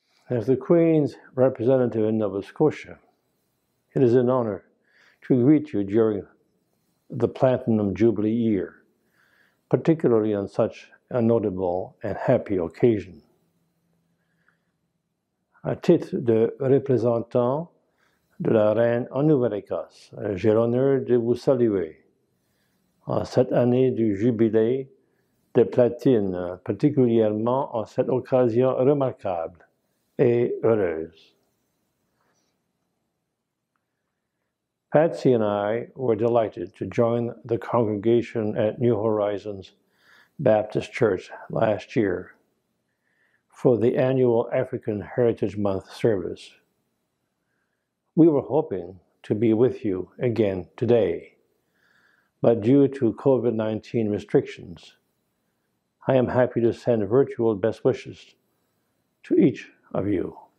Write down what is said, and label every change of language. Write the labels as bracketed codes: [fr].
[en] As the Queen's representative in Nova Scotia, it is an honor to greet you during the Platinum Jubilee year, particularly on such a notable and happy occasion. [fr] À titre de représentant de la Reine en Nouvelle-Écosse, j'ai l'honneur de vous saluer en cette année du Jubilé des Platines, particulièrement en cette occasion remarquable et heureuse. [en] Patsy and I were delighted to join the congregation at New Horizons Baptist Church last year for the annual African Heritage Month service. We were hoping to be with you again today, but due to COVID-19 restrictions, I am happy to send virtual best wishes to each of you.